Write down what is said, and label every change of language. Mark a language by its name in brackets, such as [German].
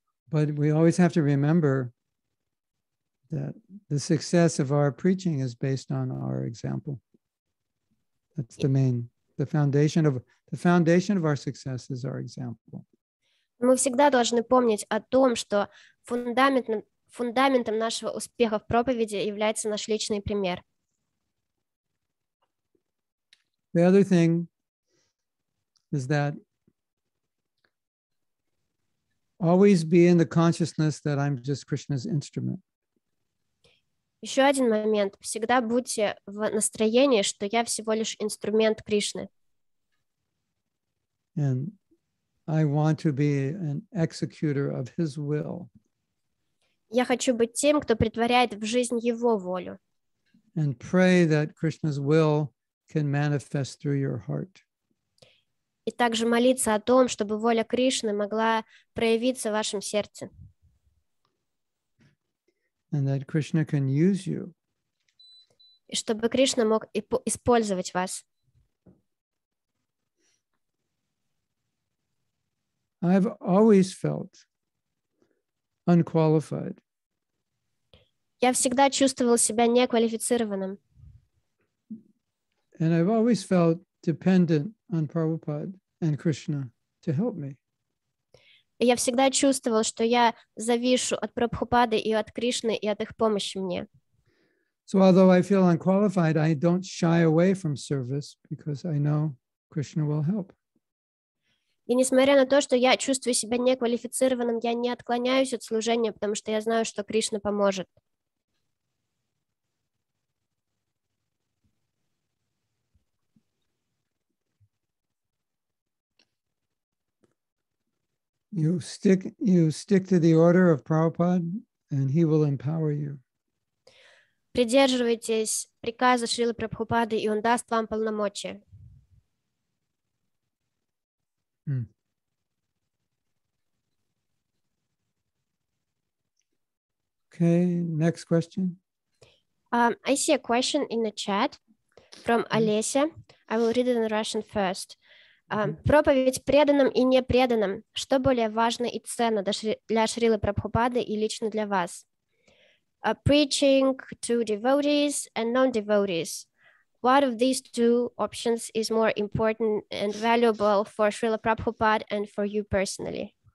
[English] But we always have to remember that the success of our preaching is based on our example. That's the main, the foundation of our success is our example. [Russian] Мы всегда должны помнить о том, что фундаментом нашего успеха в проповеди является наш личный пример. [English] The other thing is that always be in the consciousness that I'm just Krishna's instrument. [Russian] Еще один момент. Всегда будьте в настроении, что я всего лишь инструмент Кришны. [English] And I want to be an executor of his will. [Russian] Я хочу быть тем, кто претворяет в жизнь его волю. [English] And pray that Krishna's will can manifest through your heart. [Russian] И также молиться о том, чтобы воля Кришны могла проявиться в вашем сердце. [English] And that Krishna can use you. [Russian] И чтобы Кришна мог использовать вас. [English] I've always felt unqualified. [Russian] Я всегда чувствовал себя неквалифицированным. [English] And I've always felt dependent on Prabhupada and Krishna to help me. [Russian] Я всегда чувствовал, что я завишу от Прабхупады и от Кришны и от их помощи мне. [English] So although I feel unqualified, I don't shy away from service because I know Krishna will help. [Russian] И несмотря на то, что я чувствую себя неквалифицированным, я не отклоняюсь от служения, потому что я знаю, что Кришна поможет. [English] You stick to the order of Prabhupada, and he will empower you. [Russian] Придерживайтесь приказа Шрилы Прабхупады, и он даст вам полномочия. [English] Okay, next question. I see a question in the chat from Alessia. I will read it in Russian first. [Russian] Проповедь преданным и непреданным. Что более важно и ценно для Шрилы Прабхупады и лично для вас? [English] Preaching to devotees and non-devotees. What of these two options is more important and valuable for Srila Prabhupada and for you personally?